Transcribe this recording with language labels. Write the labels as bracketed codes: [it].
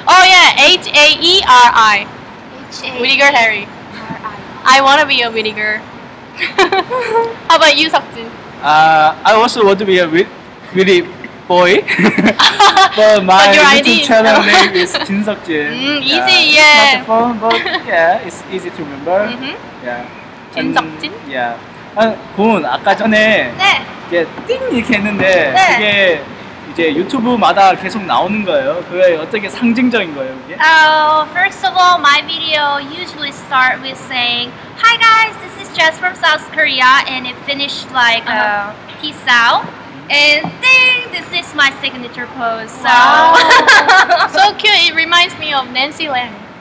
[en] Oh yeah, H-A-E-R-I. Whittaker Harry. I want to be a Whittaker. How about you, Seokjin? I also want to be a really boy. But my YouTube channel name is Jin Seokjin. Easy, yeah. It's not the phone, but yeah, it's easy to remember. Mm-hmm. Yeah. Jin Seokjin? Yeah. [ko] 아, 군, 아까 전에 이게 띵 이렇게 했는데 그게 이제 유튜브마다 계속 나오는 거예요. 그게 어떻게 상징적인 거예요, 그게? [en] First of all, my video usually start with saying, "Hi guys, this is Jess from South Korea," and it finished like, "Peace out." And ding, this is my signature pose. So, wow. So cute. It reminds me of Nancy Lam.